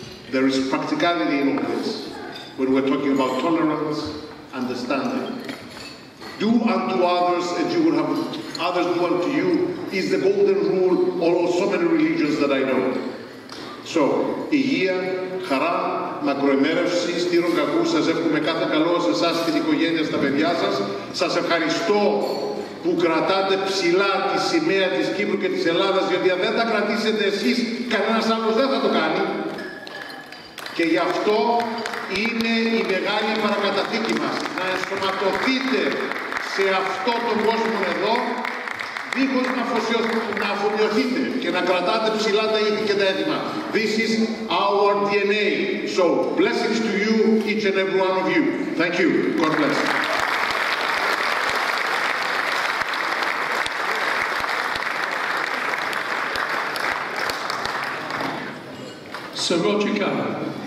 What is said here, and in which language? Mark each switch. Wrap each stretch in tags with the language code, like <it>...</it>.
<en>There is practicality in all this when we're talking about tolerance, understanding. Do unto others as you would have others do unto you is the golden rule of so many religions that I know.</en> <el>So, υγεία, χαρά, μακροημέρευση, στήρων κακού, σας εύχομαι κάθε καλό σε εσάς, την οικογένεια, στα παιδιά σας. Σας ευχαριστώ που κρατάτε ψηλά τη σημαία της Κύπρου και της Ελλάδας, γιατί αν δεν τα κρατήσετε εσείς, κανένας άλλος δεν θα το κάνει. Και γι' αυτό είναι η μεγάλη παρακαταθήκη μας, να ενσωματωθείτε σε αυτό τον κόσμο εδώ, δίχως να αφομοιωθείτε και να κρατάτε ψηλά τα ήδη και τα έτοιμα.</el> <en>This is our DNA. So, blessings to you, each and every one of you. Thank you. God bless. Sir Roger Carr.</en>